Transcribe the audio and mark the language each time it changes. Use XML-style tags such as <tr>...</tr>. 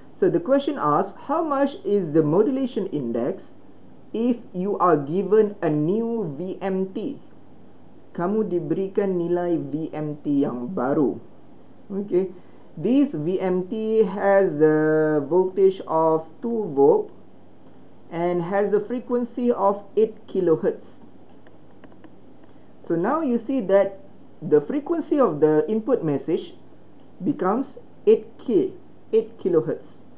<en>So the question asks, how much is the modulation index if you are given a new VMT?</en> <ms>Kamu diberikan nilai VMT yang baru.</ms> <en>Okay, this VMT has the voltage of 2 volt, and has a frequency of 8 kilohertz. So now you see that the frequency of the input message becomes 8K, 8 kilohertz.</en>